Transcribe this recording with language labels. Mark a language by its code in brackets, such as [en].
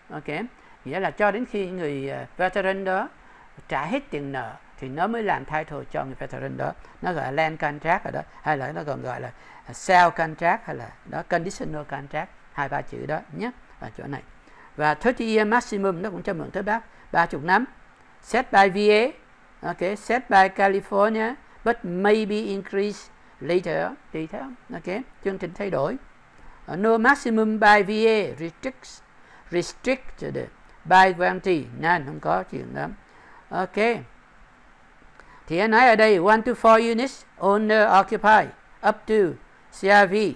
[vi] Ok, nghĩa là cho đến khi người veteran đó trả hết tiền nợ thì nó mới làm title cho người veteran đó, nó gọi là land contract ở đó, hay là nó còn gọi là sale contract, hay là đó conditional contract, hai ba chữ đó nhé, ở chỗ này. Và 30 year maximum nó cũng cho mượn tới bác 30 năm, [en] set by VA. Ok, set by California but maybe increase later, [vi] tùy theo. Ok, chương trình thay đổi. [en] No maximum by VA restricted by guarantee, [vi] nên không có chuyện đó. Ok, thì anh nói ở đây [en] 1 to 4 units owner occupy up to CRV.